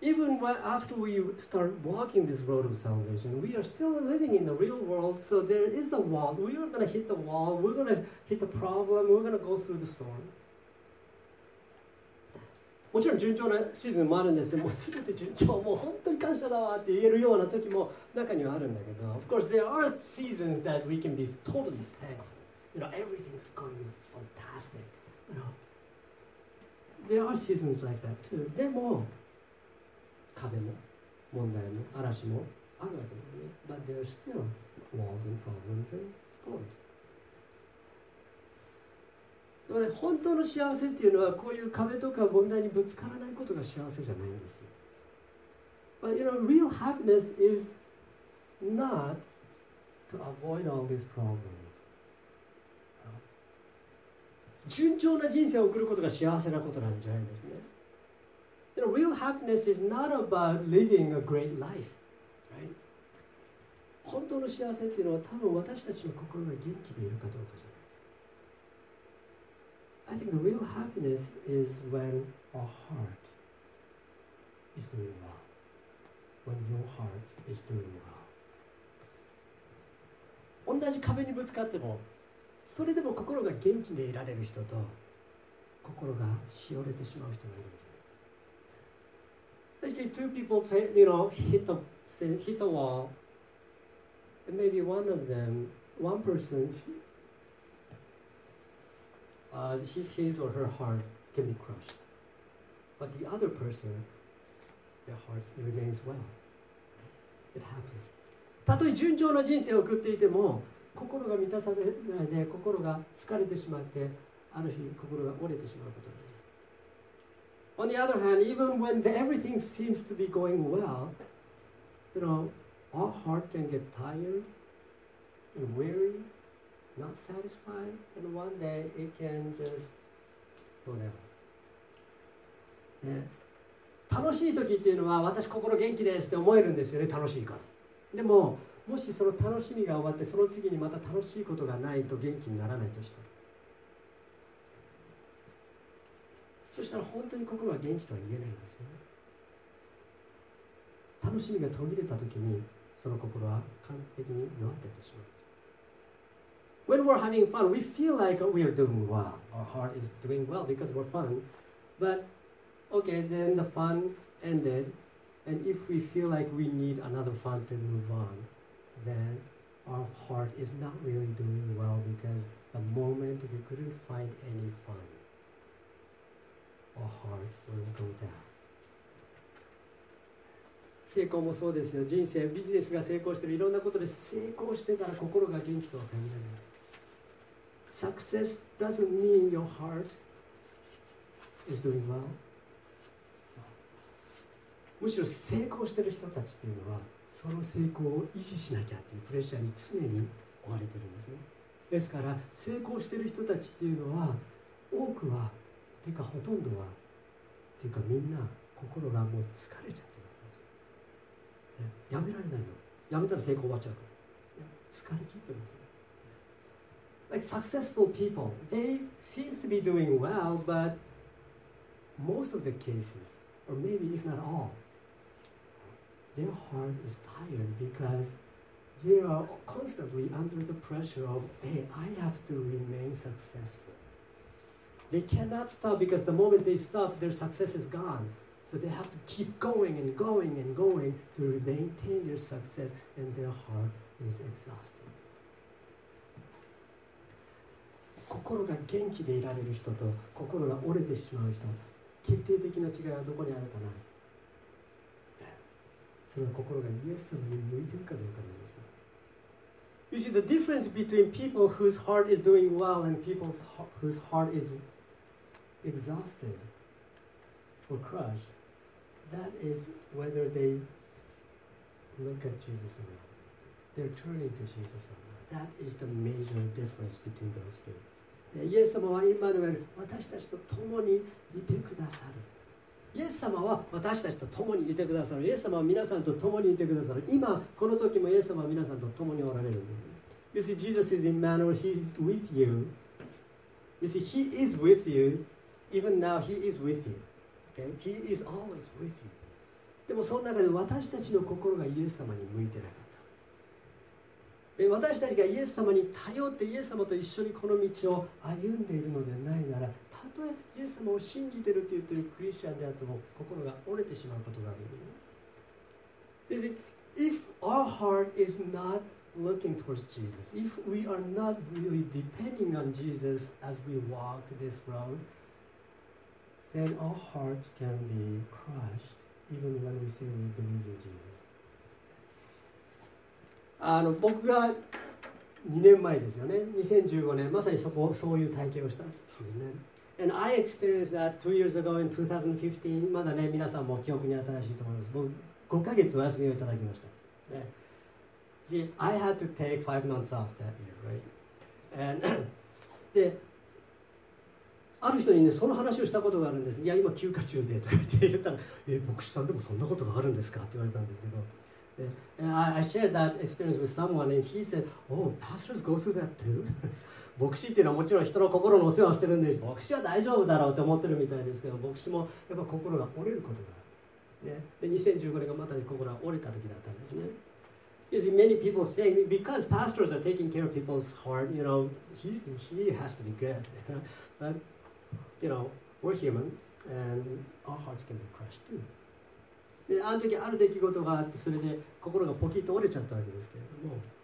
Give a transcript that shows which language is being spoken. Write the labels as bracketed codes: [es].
[en] Even after we start walking this road of salvation, we are still living in the real world, so there is the wall. We are going to hit the wall, we're going to hit the problem, we're going to go through the storm. [ja] もちろん順調なシーズンもあるんですよ。もうすべて順調、もう本当に感謝だわって言えるような時も中にはあるんだけど、 [en] Of course, there are seasons that we can be totally thankful. You know, everything's going fantastic. You know, there are seasons like that too. [ja] でも、壁も問題も嵐もあるわけですね。 [en] But there are still walls and problems and storms. [ja] でもね、本当の幸せっていうのはこういう壁とか問題にぶつからないことが幸せじゃないんですよ。 [en] But you know, real happiness is not to avoid all these problems. [ja] 順調な人生を送ることが幸せなことなんじゃないんですね。 [en] You know, real happiness is not about living a great life, right? [ja] 本当の幸せっていうのは多分私たちの心が元気でいるかどうかじゃない。 [en] I think the real happiness is when our heart is doing well. When your heart is doing well. [ja] 同じ壁にぶつかっても、それでも心が元気でいられる人と、心がしおれてしまう人がいるんじゃない。 [en] I see two people, you know, hit the wall. And maybe one of them, one person,his or her heart can be crushed. But the other person, their heart remains well. It happens. [ja] たとえ順調な人生を送っていても、心が満たされないで、心が疲れてしまって、ある日心が折れてしまうことがある。 [en] On the other hand, even when everything seems to be going well, you know, our heart can get tired and weary. Not satisfied, and one day it can just go down. [ja] ね、楽しい時っていうのは私心元気ですって思えるんですよね、楽しいから。でも、もしその楽しみが終わってその次にまた楽しいことがないと元気にならないとしたら、そしたら本当に心は元気とは言えないんですよね。楽しみが途切れた時にその心は完璧に弱っていってしまう。 [en] When we're having fun, we feel like we are doing well. Our heart is doing well because we're fun. But, okay, then the fun ended. And if we feel like we need another fun to move on, then our heart is not really doing well because the moment we couldn't find any fun, our heart will go down. [ja] 成功もそうですよ。人生、ビジネスが成功してる、いろんなことで成功してたら心が元気とは限らない。 [en] Success doesn't mean your heart is doing well. [ja] むしろ成功してる人たちっていうのは、その成功を維持しなきゃっていうプレッシャーに常に追われてるんですね。ですから、成功してる人たちっていうのは、多くは、っていうかほとんどは、っていうかみんな、心がもう疲れちゃってるんです。やめられないの。やめたら成功終わっちゃうから。疲れ切ってるんですよ。 [en] Like successful people, they seem to be doing well, but most of the cases, or maybe if not all, their heart is tired because they are constantly under the pressure of, hey, I have to remain successful. They cannot stop because the moment they stop, their success is gone. So they have to keep going and going and going to maintain their success, and their heart is exhausted. [ja] 心が元気でいられる人と心が折れてしまう人、決定的な違いはどこにあるかな。それは心がイエス様に向いているかどうかなんですよ。 [en] You see, the difference between people whose heart is doing well and people whose heart is exhausted or crushed, that is whether they look at Jesus or not. They're turning to Jesus or not. That is the major difference between those two. [ja] イエス様はイマヌエル、私たちと共にいてくださる。イエス様は私たちと共にいてくださる。イエス様は皆さんと共にいてくださる。今この時もイエス様は皆さんと共におられる。 [en] You see, Jesus is Emmanuel. He's with you. You see, He is with you. Even now, He is with you. Okay? He is always with you. [ja] でもその中で私たちの心がイエス様に向いてなかった。私たちがイエス様に頼ってイエス様と一緒にこの道を歩んでいるのでないなら、たとえイエス様を信じてると言っているクリスチャンであっても心が折れてしまうことがある。別に [en] If our heart is not looking towards Jesus, if we are not really depending on Jesus as we walk this road, then our hearts can be crushed even when we say we believe in Jesus. [ja] 僕が2年前ですよね、2015年、まさにそういう体験をしたんですね。 [en] And I experienced that 2 years ago in 2015. [ja] まだね、皆さんも記憶に新しいと思います。僕5ヶ月お休みをいただきました。ね、 [en] See, I had to take 5 months off that year, right? And, で、 [ja] ある人にね、その話をしたことがあるんです。いや、今休暇中でとか言ったら、牧師さんでもそんなことがあるんですかって言われたんですけど。 [en] I shared that experience with someone and he said, Oh, pastors go through that too? [ja] 牧師っていうのはもちろん人の心のお世話をしてるんです。牧師は大丈夫だろうって思ってるみたいですけど、牧師もやっぱ心が折れることがある。ね、2015年がまた心が折れた時だったんですね。 [en] You see, many people think because pastors are taking care of people's heart, you know, he has to be good. But, you know, we're human and our hearts can be crushed too. [ja] で、あの時ある出来事があって、それで心がポキッと折れちゃったわけですけれども。